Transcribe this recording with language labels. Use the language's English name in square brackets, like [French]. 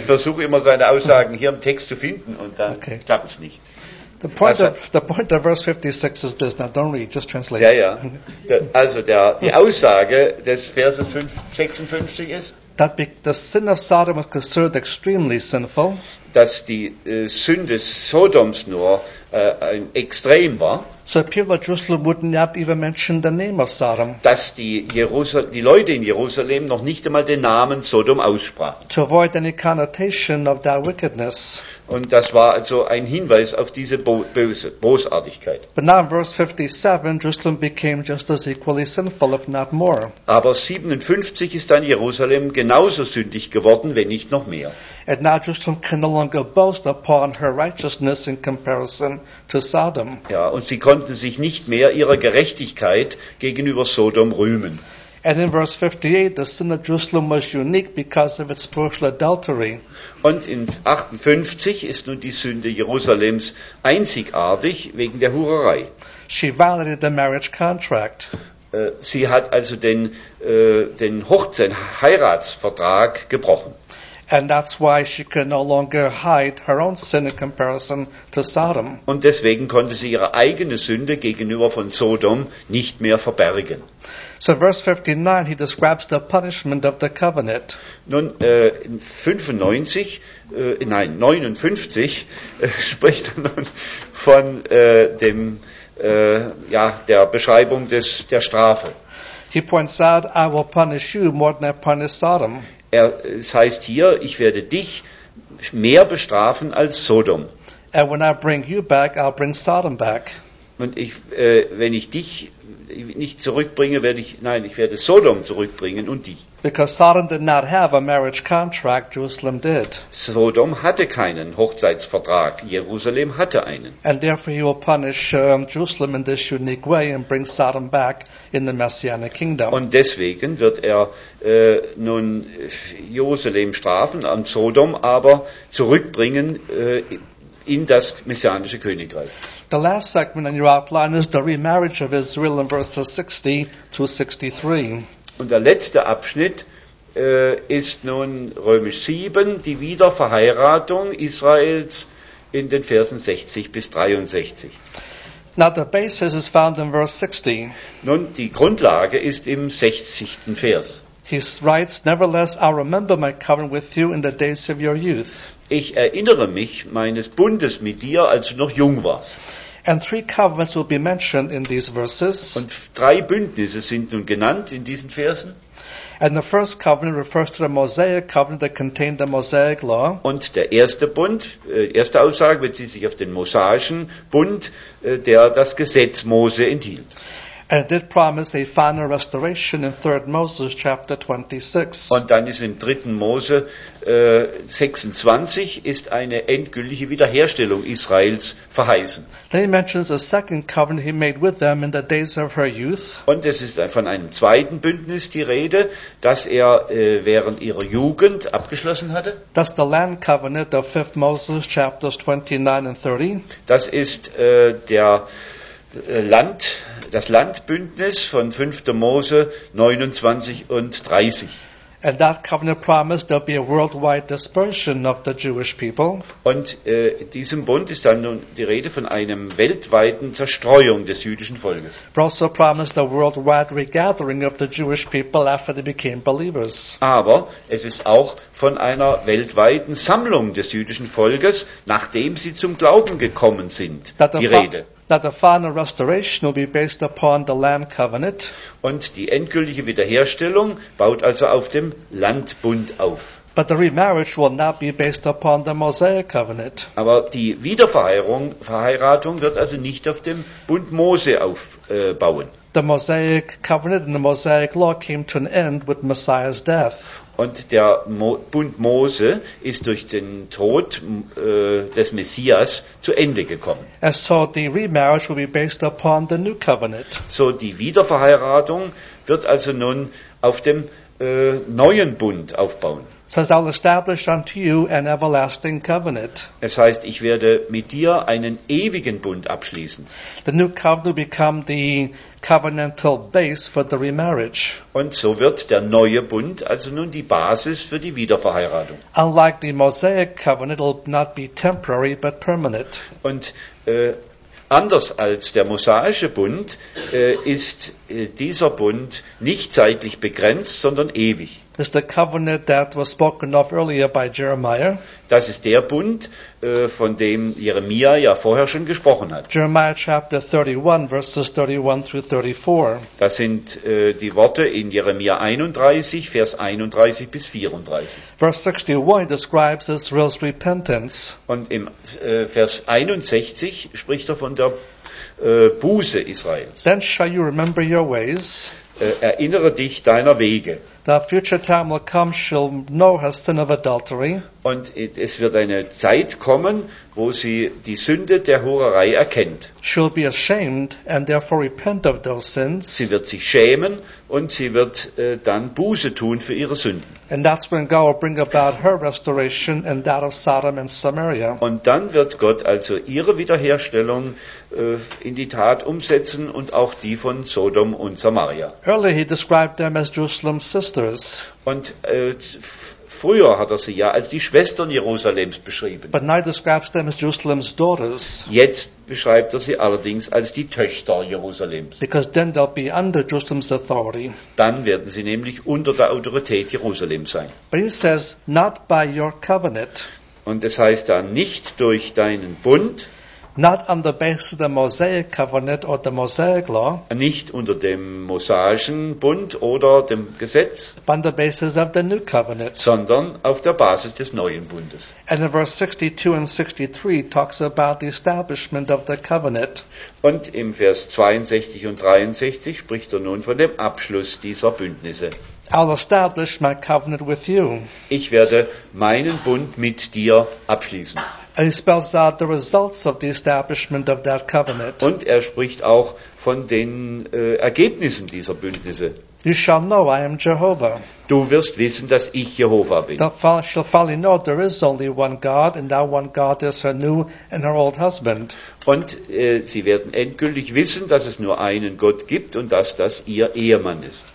[German] Ich versuche immer seine Aussagen hier im Text zu finden und dann klappt es nicht. [English] The point of verse 56 is this. Now, don't read, just translate. [German] Ja, ja. Die Aussage des Verses 56 ist, [English] that the sin of Sodom was considered extremely sinful. [German] Dass die Sünde Sodoms nur extrem war. [English] So people of Jerusalem would not even mention the name of Sodom. [German] Dass die Leute in Jerusalem noch nicht einmal den Namen Sodom aussprachen. [English] To avoid any connotation of that wickedness. [German] Und das war also ein Hinweis auf diese Bosartigkeit. [English] But now in verse 57, Jerusalem became just as equally sinful, if not more. [German] Aber 57 ist dann Jerusalem genauso sündig geworden, wenn nicht noch mehr. [English] And now Jerusalem can no longer boast upon her righteousness in comparison to Sodom. [German] Ja, und sie konnten sich nicht mehr ihrer Gerechtigkeit gegenüber Sodom rühmen. [English] And in verse 58, the sin of Jerusalem was unique because of its spiritual adultery. [German] Und in 58 ist nun die Sünde Jerusalems einzigartig wegen der Hurerei. [English] She violated the marriage contract. [German] Sie hat also den Heiratsvertrag gebrochen. [English] And that's why she could no longer hide her own sin in comparison to Sodom. [German] Und deswegen konnte sie ihre eigene Sünde gegenüber von Sodom nicht mehr verbergen. [English] So verse 59, he describes the punishment of the covenant. [German] Nun, in 59 spricht er nun von der Strafe. [English] He points out, I will punish you more than I punish Sodom. [German] Es heißt hier, ich werde dich mehr bestrafen als Sodom. [English] And when I bring you back, I'll bring Sodom back. [German] Und wenn ich dich nicht zurückbringe, ich werde Sodom zurückbringen und dich. [English] Because Sodom did not have a marriage contract, Jerusalem did. [German] Sodom hatte keinen Hochzeitsvertrag, Jerusalem hatte einen. [English] And therefore he will punish Jerusalem in this unique way and bring Sodom back in the Messianic Kingdom. [German] Und deswegen wird er nun Jerusalem strafen und Sodom aber zurückbringen in das messianische Königreich. [English] The last segment in your outline is the remarriage of Israel in verses 60 through 63. [German] Und der letzte Abschnitt ist nun Römisch 7, die Wiederverheiratung Israels in den Versen 60 bis 63. [English] Now the basis is found in verse 60. [German] Nun, die Grundlage ist im 60. Vers. [English] He writes, nevertheless, I remember my covenant with you in the days of your youth. [German] Ich erinnere mich meines Bundes mit dir, als du noch jung warst. [English] And three covenants will be mentioned in these verses. [German] Und drei Bündnisse sind nun genannt in diesen Versen. [English] And the first covenant refers to the Mosaic covenant that contained the Mosaic law. [German] Und der erste Bund, erste Aussage bezieht sich auf den mosaischen Bund, der das Gesetz Mose enthielt. [English] And it did promise a final restoration in 3rd Moses chapter 26. [German] Und dann ist im 3. Mose 26 ist eine endgültige Wiederherstellung Israels verheißen. [English] Then he mentions a second covenant he made with them in the days of her youth. [German] Und es ist von einem zweiten Bündnis die Rede, das er während ihrer Jugend abgeschlossen hatte. [English] That's the land covenant of 5th Moses chapters 29 and 30. [German] Das ist das Landbündnis von 5. Mose 29 und 30. [English] And that covenant promised there'll be a worldwide dispersion of the Jewish people. [German] Und in diesem Bund ist dann nun die Rede von einem weltweiten Zerstreuung des jüdischen Volkes. [English] But also promised a worldwide regathering of the Jewish people after they became believers. [German] Aber es ist auch von einer weltweiten Sammlung des jüdischen Volkes, nachdem sie zum Glauben gekommen sind, die Rede. [English] That the final restoration will be based upon the land covenant. [German] Und die endgültige Wiederherstellung baut also auf dem Landbund auf. [English] But the remarriage will not be based upon the Mosaic covenant. [German] Aber die Wiederverheiratung wird also nicht auf dem Bund Mose aufbauen. [English] The Mosaic covenant and the Mosaic law came to an end with Messiah's death. [German] Und der Bund Mose ist durch den Tod des Messias zu Ende gekommen. [English] And so the remarriage will be based upon the new covenant. [German] So die Wiederverheiratung wird also nun auf dem neuen Bund aufbauen. [English] Says, I'll establish unto you an everlasting covenant. [German] Es heißt, ich werde mit dir einen ewigen Bund abschließen. [English] The new covenant will become the covenantal base for the remarriage. [German] Und so wird der neue Bund also nun die Basis für die Wiederverheiratung. [English] Unlike the Mosaic covenant, it will not be temporary but permanent. [German] Und anders als der mosaische Bund ist dieser Bund nicht zeitlich begrenzt, sondern ewig. [English] Is the covenant that was spoken of earlier by Jeremiah. [German] Das ist der Bund, von dem Jeremia ja vorher schon gesprochen hat. [English] Jeremiah chapter 31, verses 31 through 34. [German] Das sind die Worte in Jeremia 31, Vers 31 bis 34. [English] Verse 61 describes Israel's repentance. [German] Und im Vers 61 spricht er von der Buße Israels. [English] Then shall you remember your ways. [German] Erinnere dich deiner Wege. [English] The future time will come, she'll know her sin of adultery. [German] Und es wird eine Zeit kommen, wo sie die Sünde der Hurerei erkennt. [English] She'll be ashamed and therefore repent of those sins. [German] Sie wird sich schämen und sie wird dann Buße tun für ihre Sünden. [English] And that's when God will bring about her restoration and that of Sodom and Samaria. [German] Und dann wird Gott also ihre Wiederherstellung in die Tat umsetzen und auch die von Sodom und Samaria. [English] Earlier he described them as Jerusalem's sisters. [German] Und früher hat er sie ja als die Schwestern Jerusalems beschrieben. [English] But now describes them as Jerusalem's daughters. [German] Jetzt beschreibt er sie allerdings als die Töchter Jerusalems. [English] Because then they'll be under Jerusalem's authority. [German] Dann werden sie nämlich unter der Autorität Jerusalems sein. [English] But it says, not by your covenant. [German] Und es heißt dann, nicht durch deinen Bund. [English] Not on the basis of the Mosaic covenant or the Mosaic law. [German] Nicht unter dem mosaischen Bund oder dem Gesetz. [English] But on the basis of the new covenant. [German] Sondern auf der Basis des neuen Bundes. [English] And in verse 62 and 63 talks about the establishment of the covenant. [German] Und im Vers 62 und 63 spricht er nun von dem Abschluss dieser Bündnisse. [English] I'll establish my covenant with you. [German] Ich werde meinen Bund mit dir abschließen. [English] And he spells out the results of the establishment of that covenant. [German] Und er spricht auch von den Ergebnissen dieser Bündnisse. [English] You shall know I am Jehovah. [German] Du wirst wissen, dass ich Jehovah bin. [English] Thou shalt finally know there is only one God, and that one God is her new and her old husband. [German] Und sie werden endgültig wissen, dass es nur einen Gott gibt und dass das ihr Ehemann ist.